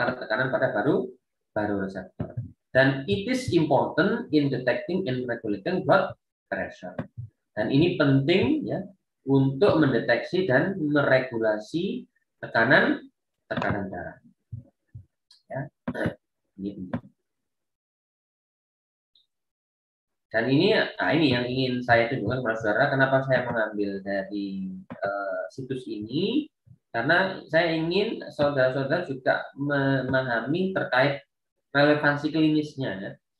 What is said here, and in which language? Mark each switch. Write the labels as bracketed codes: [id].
[id] Karena tekanan pada baru reseptor. [en] Dan it is important in detecting and regulating blood pressure. [id] Dan ini penting ya untuk mendeteksi dan meregulasi tekanan darah. Ya. Dan ini yang ingin saya tunjukkan kepada saudara, kenapa saya mengambil dari situs ini, karena saya ingin saudara-saudara juga memahami terkait relevansi klinisnya ya.